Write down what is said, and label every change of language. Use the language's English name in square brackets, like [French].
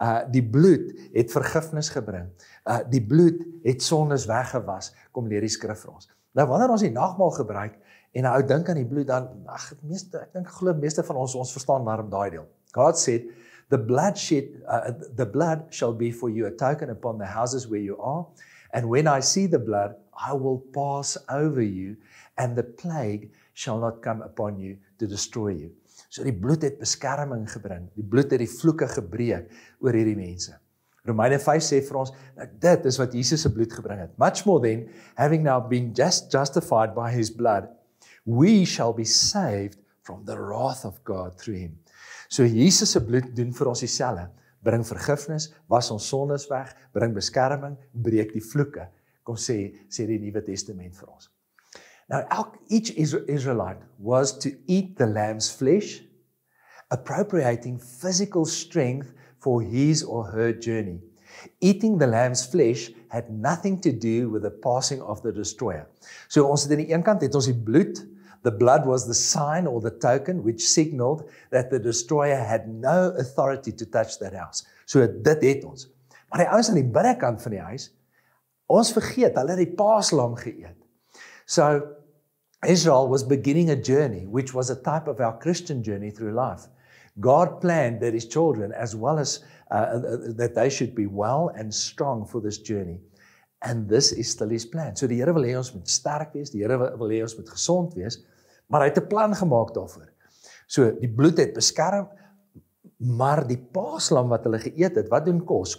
[Afrikaans] Die bloed het vergifnis gebring. Die bloed het sondes weggewas, kom leer die skrif vir ons. Nou, wanneer ons die nagmaal gebruik, en nou dink aan die bloed, dan, ek dink die meeste van ons verstaan waarom daai deel. God sê, [English] the blood shall be for you a token upon the houses where you are, and when I see the blood, I will pass over you, and the plague shall not come upon you to destroy you. [Afrikaans] So die bloed het beskerming gebring, die bloed het die vloeke gebreek oor hierdie mense. Romeine 5 sê vir ons, dit is wat Jesus se bloed gebring het. [English] Much more than, having now been justified by his blood, we shall be saved from the wrath of God through him. [Afrikaans] So Jesus se bloed doen vir ons dieselfde, bring vergifnis, was ons sondes weg, bring beskerming, breek die vloeke, kom sê die Nuwe Testament vir ons. [English] Now, each Israelite was to eat the lamb's flesh, appropriating physical strength for his or her journey. Eating the lamb's flesh had nothing to do with the passing of the destroyer. [Afrikaans] So, ons het aan die een kant het ons die bloed. [English] The blood was the sign or the token which signaled that the destroyer had no authority to touch that house. [Afrikaans] So, dit het ons. Maar die ouens aan die binnekant van die huis, ons vergeet, hulle het die paaslam geëet. [English] So, Israel was beginning a journey, which was a type of our Christian journey through life. God planned that his children, as well as that they should be well and strong for this journey. And this is still his plan. [Afrikaans] So, die Here wil hê ons moet sterk wees, die Here wil hê ons moet gesond wees, maar hy het 'n plan gemaak daarvoor. So, die bloed het beskerm, maar die paaslam wat hulle geëet het, wat doen kos?